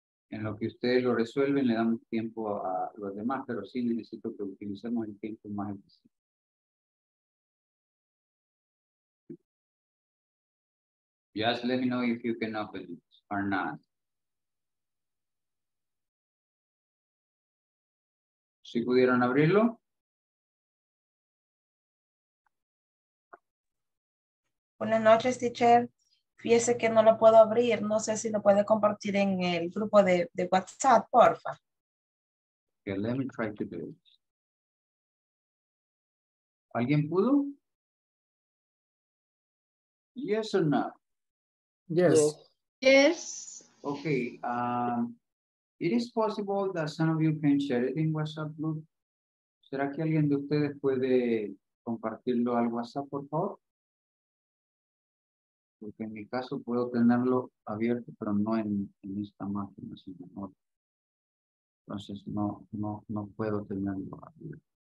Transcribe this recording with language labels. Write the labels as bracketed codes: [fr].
[es] En lo que ustedes lo resuelven, le damos tiempo a los demás, pero sí necesito que utilicemos el tiempo más eficiente. [en] Just let me know if you can open it or not. [es] ¿Sí pudieron abrirlo? Buenas noches, teacher. Fíjese que no lo puedo abrir. No sé si lo puede compartir en el grupo de WhatsApp, porfa. [en] Okay, let me try to do it. [es] ¿Alguien pudo? [en] Yes or no? Yes. Yes. Okay. It is possible that some of you can share it in WhatsApp group. [es] ¿Será que alguien de ustedes puede compartirlo al WhatsApp, por favor? Porque en mi caso puedo tenerlo abierto, pero no en esta máquina, sino en otra. Entonces no puedo tenerlo abierto.